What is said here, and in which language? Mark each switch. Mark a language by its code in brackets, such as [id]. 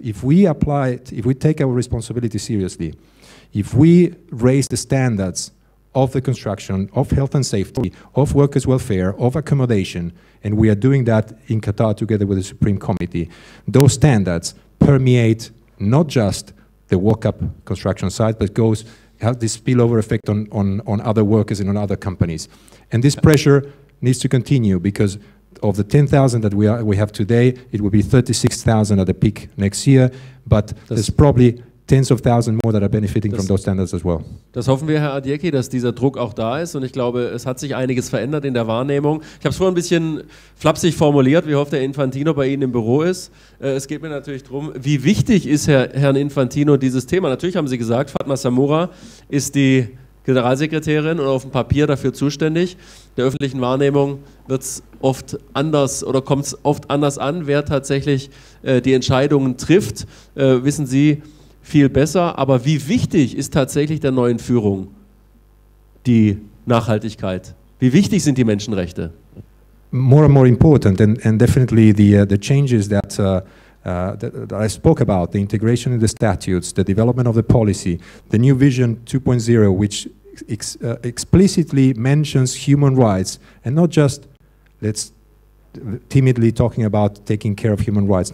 [en] If we apply it, if we take our responsibility seriously, if we raise the standards of the construction, of health and safety, of workers' welfare, of accommodation, and we are doing that in Qatar together with the Supreme Committee, those standards permeate not just the World Cup construction site, but goes have this spillover effect on other workers and on other companies. And this pressure needs to continue, because of the 10,000 that we have today, it will be 36,000 at the peak next year, but there's probably tens of thousands more that are benefiting from those standards as well. [de] Das hoffen wir, Herr Adjeki, dass dieser Druck auch da ist. Und ich glaube, es hat sich einiges verändert in der Wahrnehmung. Ich habe es vorhin ein bisschen flapsig formuliert, wie oft Herr Infantino bei Ihnen im Büro ist. Es geht mir natürlich darum, wie wichtig ist Herrn Infantino dieses Thema? Natürlich haben Sie gesagt, Fatma Samoura ist die Generalsekretärin und auf dem Papier dafür zuständig. Der öffentlichen Wahrnehmung wird es oft anders oder kommt es oft anders an, wer tatsächlich die Entscheidungen trifft. Wissen Sie viel besser, aber wie wichtig ist tatsächlich der neuen Führung die Nachhaltigkeit? Wie wichtig sind die Menschenrechte? [en] More and more important, and definitely the changes that, that I spoke about, the integration in the statutes, the development of the policy, the new vision 2.0, which explicitly mentions human rights, and not just let's timidly talking about taking care of human rights.